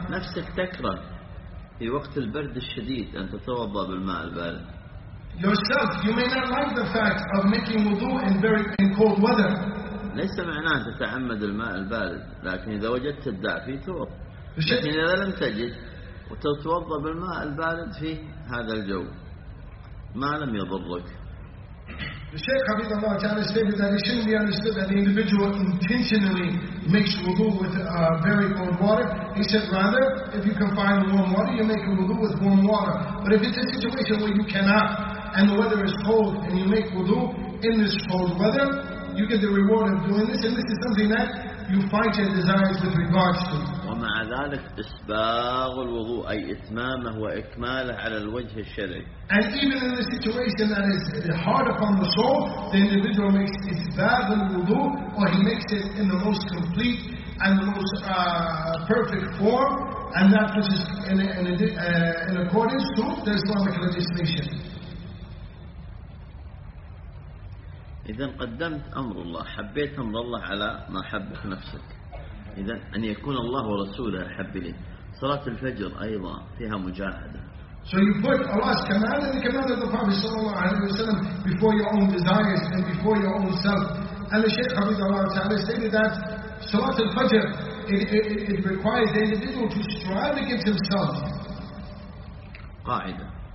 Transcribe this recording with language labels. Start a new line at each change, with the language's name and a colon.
Arabic: نفسك تكره في وقت البرد الشديد أن تتوضأ بالماء البارد.
English: Yourself, you may not like the fact of making wudu in very in cold weather.
Arabic: ليس معناه أن تتعمد الماء البارد، لكن إذا وجدت الدافي توضأ. لكن إذا لم تجد وتتوضأ بالماء البارد في هذا الجو. ما لم يضرك
English: The Shaykh Habibullah Ta'ala stated that it shouldn't be understood that the individual intentionally makes wudu with very cold water. He said, rather, if you can find warm water, you make a wudu with warm water. But if it's a situation where you cannot, and the weather is cold, and you make wudu in this cold weather, you get the reward of doing this, and this is something that you fight your desires with regards to.
Arabic: ومع ذلك إسباغ الوضوء أي إتمامه وإكماله على الوجه الشرعي.
English: And even in a situation that is hard upon the soul, the individual makes
Arabic: إسباغ الوضوء,
English: or he makes it in the most complete and the most perfect form, and that which is in accordance to the Islamic legislation.
Arabic: إذن قدمت أمر الله, حبيت أمر الله على ما حبك نفسك. إذن أن يكون الله ورسوله أحب لي. صلاة الفجر أيضا فيها مجاهدة.
English: So you put Allah's command and the command of the Prophet
Arabic: صلى الله عليه وسلم
English: before your own desires and before your own self. And the Shaykh Habibullah Ta'ala stated that
Arabic: صلاة الفجر
English: it requires the individual to strive against himself.
Arabic: قاعدة.